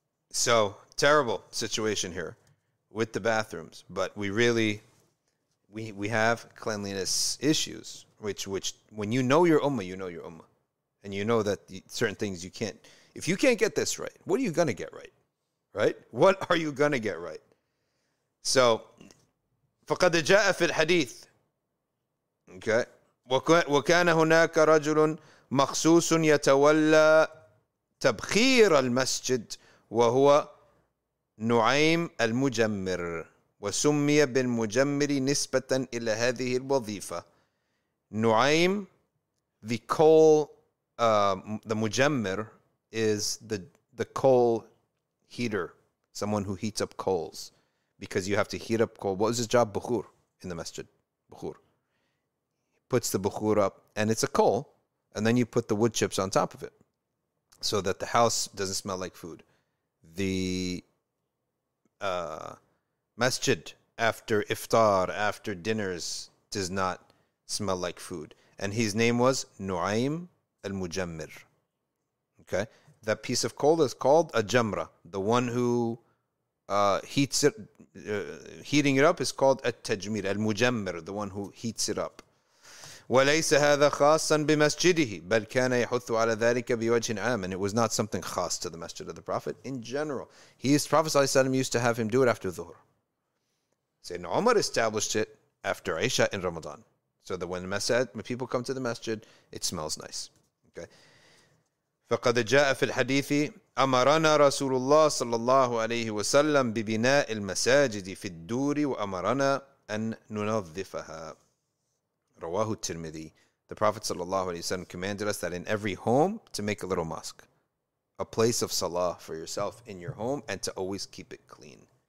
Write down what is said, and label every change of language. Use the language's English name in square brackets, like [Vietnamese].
[English] So, terrible situation here with the bathrooms. But we really, we have cleanliness issues, which when you know your ummah, you know your ummah. And you know that certain things you can't, if you can't get this right, what are you going to get right? Right? What are you going to get right? [Arabic] So, فقد جاء في الحديث. [English] Okay. [Arabic] وكان هناك رجل مخصوص يتولى تبخير المسجد وهو نعيم المجمر وسمي بالمجمر نسبة إلى هذه الوظيفة. [English] نعيم, the coal, the مجمر is the coal heater, someone who heats up coals, because you have to heat up coal. What was his job? Bukhur in the masjid. Bukhur. Puts the bukhur up, and it's a coal, and then you put the wood chips on top of it so that the house doesn't smell like food. The masjid after iftar, after dinners, does not smell like food. And his name was Nu'aym al-Mujammir. Okay? That piece of coal is called a jamra. The one who heats it, heating it up, is called at-tajmir, al-Mujammir, the one who heats it up. [Arabic] وليس هذا خاصا بمسجده بل كان يحث على ذلك بوجه عام. [English] And it was not something خاص to the masjid of the Prophet in general. He used, Prophet [Arabic] صلى الله عليه وسلم [English] used to have him do it after Dhuhr. Sayyidina Umar established it after Aisha in Ramadan, so that when the masjid, when people come to the masjid, it smells nice. Okay. [Arabic] فقد جاء في الحديث أمرنا رسول الله صلى الله عليه وسلم ببناء المساجد في الدور وأمرنا أن ننظفها. Rawahu Tirmidhi. [English] The Prophet ﷺ commanded us that in every home to make a little mosque, a place of salah for yourself in your home, and to always keep it clean.